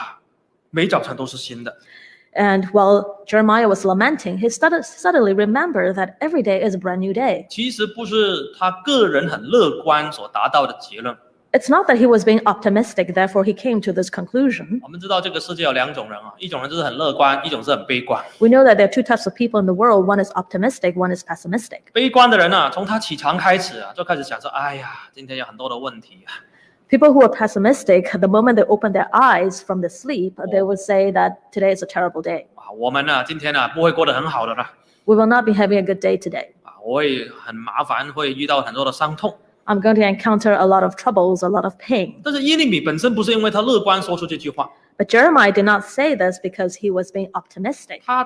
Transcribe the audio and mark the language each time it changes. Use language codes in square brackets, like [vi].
[zh] 耶利米在哀伤当中突然间说，哇，每早晨都是新的。 [en] And while Jeremiah was lamenting, he suddenly remembered that every day is a brand new day. [zh] 其实不是他个人很乐观所达到的结论。 [en] It's not that he was being optimistic, therefore he came to this conclusion. [zh] 我们知道这个世界有两种人啊，一种人就是很乐观，一种是很悲观。 [en] We know that there are two types of people in the world. One is optimistic, one is pessimistic. [zh] 悲观的人啊，从他起床开始啊，就开始想说，哎呀，今天有很多的问题啊。 [en] People who are pessimistic, the moment they open their eyes from the sleep, they will say that today is a terrible day. [zh] 我们呢，今天呢，不会过得很好的了。 [en] We will not be having a good day today. [zh] 我会很麻烦，会遇到很多的伤痛。 [en] I'm going to encounter a lot of troubles, a lot of pain. [zh] 但是耶利米本身不是因为他乐观说出这句话。 [en] But Jeremiah did not say this because he was being optimistic.